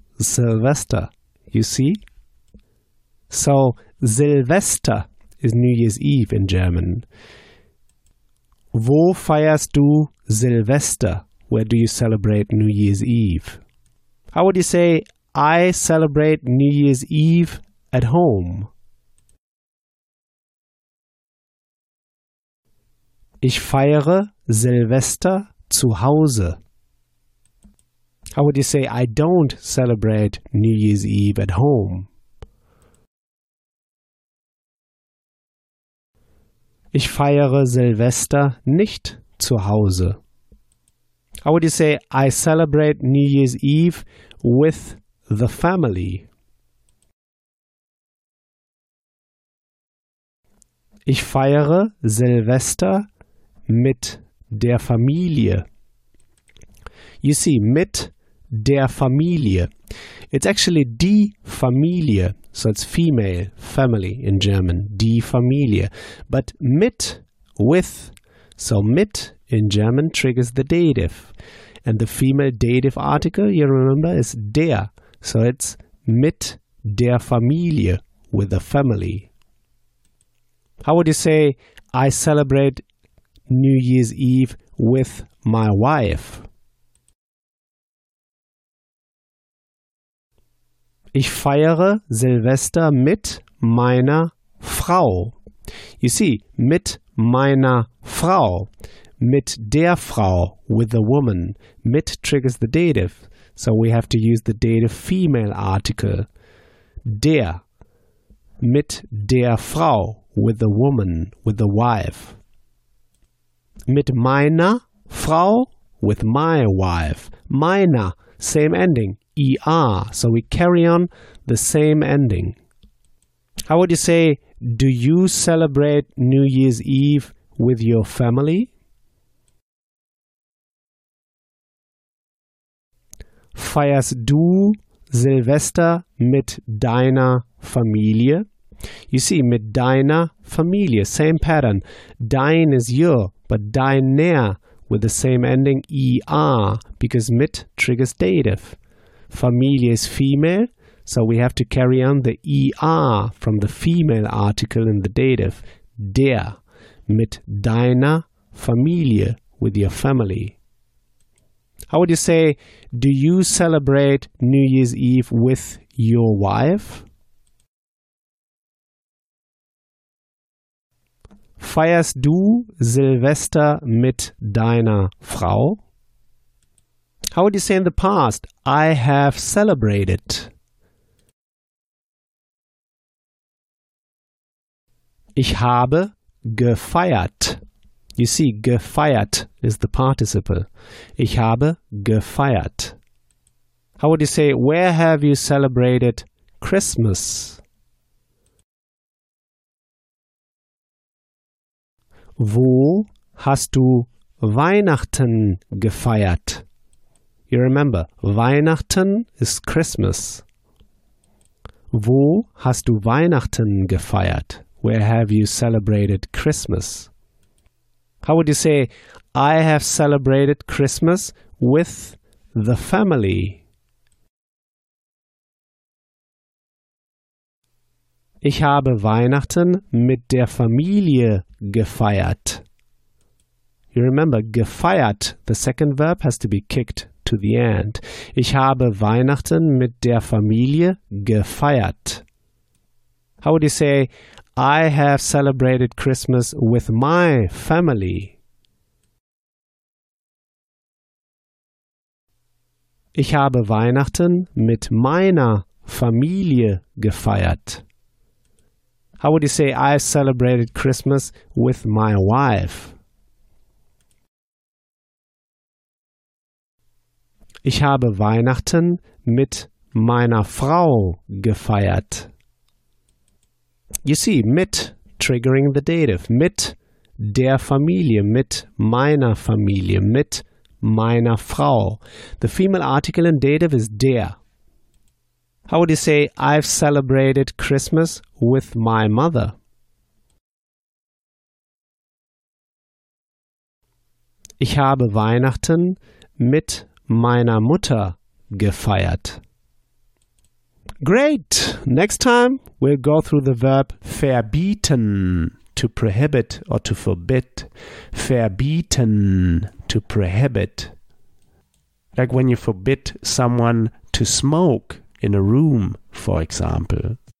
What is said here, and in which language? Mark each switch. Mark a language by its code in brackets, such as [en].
[en] Sylvester, you see? So, Silvester is New Year's Eve in German. [de] Wo feierst du Silvester? [en] Where do you celebrate New Year's Eve? How would you say, I celebrate New Year's Eve at home? [de] Ich feiere Silvester zu Hause. [en] How would you say, I don't celebrate New Year's Eve at home? [de] Ich feiere Silvester nicht zu Hause. [en] How would you say, I celebrate New Year's Eve with the family? [de] Ich feiere Silvester mit der Familie. [en] You see, [de] mit der Familie. [en] It's actually [de] die Familie. [en] So it's female, family in German, [de] die Familie. [en] But mit, with, so mit in German triggers the dative. And the female dative article, you remember, is der. So it's [de] mit der Familie, [en] with the family. How would you say, I celebrate New Year's Eve with my wife? [de] Ich feiere Silvester mit meiner Frau. [en] You see, [de] mit meiner Frau. Mit der Frau, [en] with the woman. Mit triggers the dative. So we have to use the dative female article. Der. [de] Mit der Frau, [en] with the woman, with the wife. [de] Mit meiner Frau, [en] with my wife. Meiner, same ending. ER, so we carry on the same ending. How would you say, do you celebrate New Year's Eve with your family? [de] Feierst du Silvester mit deiner Familie? [en] You see, [de] mit deiner Familie, [en] same pattern. Dein is your, but deiner with the same ending, ER, because mit triggers dative. Familie is female, so we have to carry on the ER from the female article in the dative. Der, [de] mit deiner Familie, [en] with your family. How would you say, do you celebrate New Year's Eve with your wife? [de] Feierst du Silvester mit deiner Frau? [en] How would you say in the past, I have celebrated? [de] Ich habe gefeiert. [en] You see, gefeiert is the participle. [de] Ich habe gefeiert. [en] How would you say, where have you celebrated Christmas? [de] Wo hast du Weihnachten gefeiert? [en] You remember, [de] Weihnachten [en] is Christmas. [de] Wo hast du Weihnachten gefeiert? [en] Where have you celebrated Christmas? How would you say, I have celebrated Christmas with the family? [de] Ich habe Weihnachten mit der Familie gefeiert. [en] You remember, gefeiert, the second verb has to be kicked to the end. [de] Ich habe Weihnachten mit der Familie gefeiert. [en] How would you say, I have celebrated Christmas with my family? [de] Ich habe Weihnachten mit meiner Familie gefeiert. [en] How would you say, I celebrated Christmas with my wife? [de] Ich habe Weihnachten mit meiner Frau gefeiert. [en] You see, mit, triggering the dative, [de] mit der Familie, mit meiner Familie, mit meiner Frau. [en] The female article in dative is der. How would you say, I've celebrated Christmas with my mother? [de] Ich habe Weihnachten mit meiner Mutter gefeiert. [en] Great! Next time, we'll go through the verb verbieten, to prohibit or to forbid. Verbieten, to prohibit. Like when you forbid someone to smoke in a room, for example.